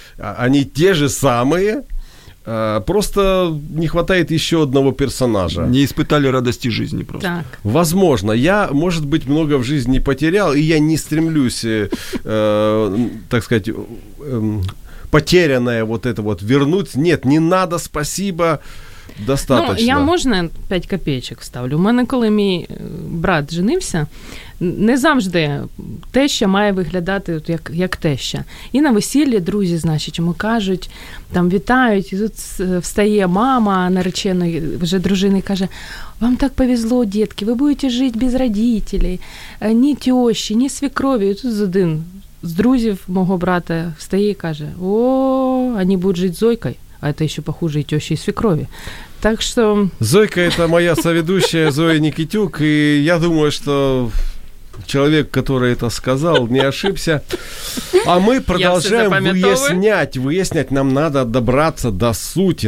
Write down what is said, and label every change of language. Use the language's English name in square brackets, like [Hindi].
[Russian] Они те же самые, просто не хватает еще одного персонажа. Не испытали радости жизни просто. Так. Возможно. Я, может быть, много в жизни потерял, и я не стремлюсь, так сказать, потерянное вот это вот вернуть. Нет, не надо, спасибо. Достаточно. [Ukrainian] Ну, я можна 5 копійок ставлю. У мене, коли мій брат женився, не завжди теща має виглядати от як теща. І на весіллі друзі, значить, йому кажуть, там вітають, і тут встає мама нареченої вже дружини і каже: «Вам так повезло, дітки, ви будете жити без родителей, ні тещі, ні свекрові». І тут один з друзів мого брата встає і каже: «О, вони будуть жити Зойкою». [Russian] А это еще похуже и теща, и свекрови. Так что... Зойка — это моя соведущая, Зоя Никитюк. И я думаю, что человек, который это сказал, не ошибся. А мы продолжаем выяснять. Нам надо добраться до сути.